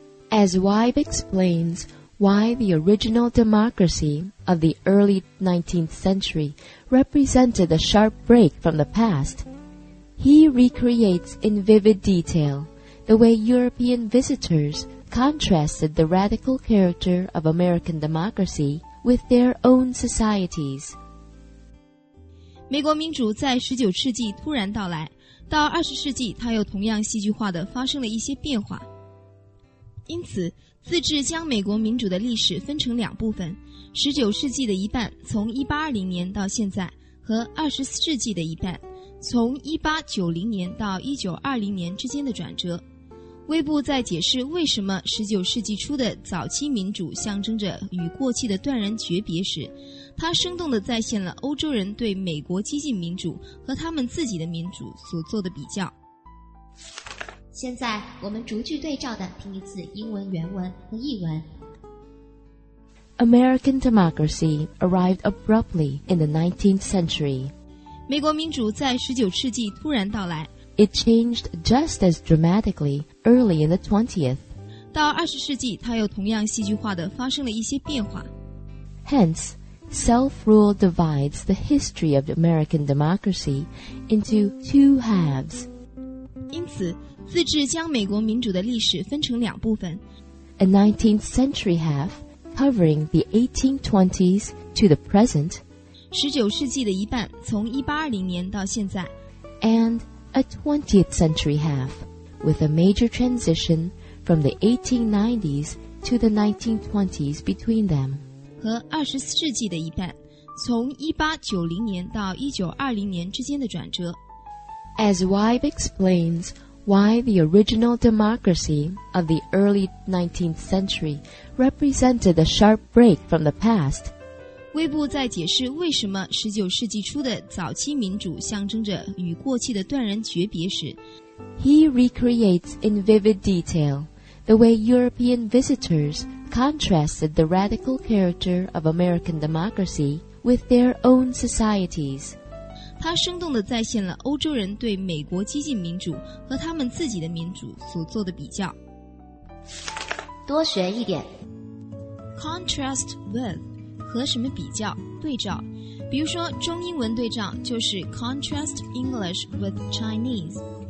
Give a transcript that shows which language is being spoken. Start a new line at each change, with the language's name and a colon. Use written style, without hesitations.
English: As Wybe explains why the original democracy of the early 19th century represented a sharp break from the past, he recreates in vivid detail the way European visitors contrasted the radical character of American democracy with their own societies.
Chinese: 美国民主在19世纪突然到来，到二十世纪它又同样戏剧化地发生了一些变化。因此自治将美国民主的历史分成两部分，十九世纪的一半，从1820年到现在，和二十世纪的一半，从1890年到1920年之间的转折。威布在解释为什么十九世纪初的早期民主象征着与过去的断然诀别时，他生动地再现了欧洲人对美国激进民主和他们自己的民主所做的比较。现在我们逐句对照的听一次英文原文和译文。
English: American democracy arrived abruptly in the 19th century.
Chinese: 美国民主在十九世纪突然到来。
English: It changed just as dramatically early in the 20th.
Chinese: 到二十世纪它又同样戏剧化地发生了一些变化。
English: Hence,Self-rule divides the history of American democracy into two halves.
Chinese: 因此，自治将美国民主的历史分成两部分。
English: A 19th century half covering the 1820s to the present.
Chinese: 十九世纪的一半，从1820年到现在。
English: And a 20th century half with a major transition from the 1890s to the 1920s between them.
Chinese: 和二十世纪的一半，从1890年到1920年之间的转折。
English: As Wybe explains why the original democracy of the early 19th century represented a sharp break from the past.
Chinese: 威布在解释为什么十九世纪初的早期民主象征着与过去的断然诀别时。
English: He recreates in vivid detail the way European visitors. Contrasted the radical character of American democracy with their own societies.
Chinese: 他生动地再现了欧洲人对美国激进民主和他们自己的民主所做的比较。多学一点。
English: Contrast with
Chinese: 和什么比较？对照。比如说中英文对照就是
English: contrast English with Chinese.